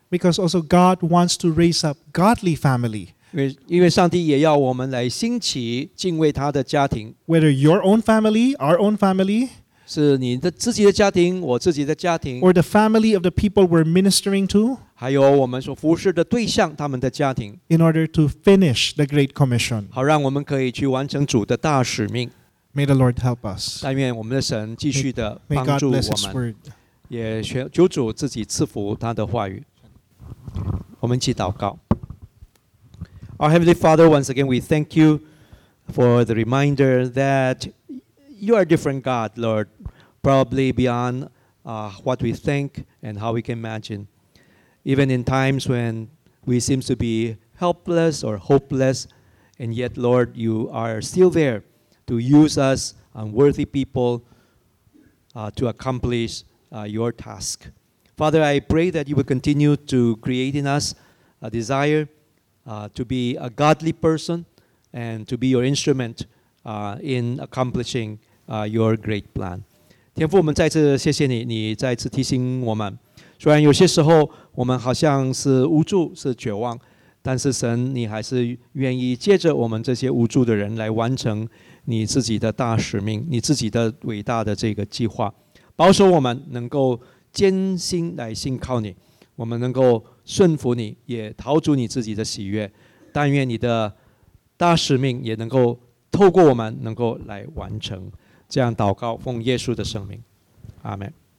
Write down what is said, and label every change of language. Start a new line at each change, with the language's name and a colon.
English: Because also God wants to raise up godly family.
Chinese: 因为上帝也要我们来兴起敬畏他的家庭
English: Whether your own family, our own family
Chinese: 是你的自己的家庭我自己的家庭
English: Or the family of the people we're ministering to
Chinese: 还有我们所服侍的对象他们的家庭
English: In order to finish the Great Commission
Chinese: 好让我们可以去完成主的大使命
English: May the Lord help us
Chinese: 但愿我们的神继续的帮助我们
English: May God bless His word
Chinese: 也求主自己赐福他的话语我们一起祷告
English: Our Heavenly Father, once again, we thank you for the reminder that you are a different God, Lord, probably beyond what we think and how we can imagine. Even in times when we seem to be helpless or hopeless, and yet, Lord, you are still there to use us, unworthy people, to accomplish your task. Father, I pray that you will continue to create in us a desire,to be a godly person and to be your instrument in accomplishing your great plan.
Chinese: 天父我们再次谢谢你你再次提醒我们虽然有些时候我们好像是无助是绝望但是神你还是愿意借着我们这些无助的人来完成你自己的大使命你自己的伟大的这个计划保守我们能够艰辛来信靠你我们能够顺服你也陶足你自己的喜悦但愿你的大使命也能够透过我们能够来完成这样祷告奉耶稣的圣名阿们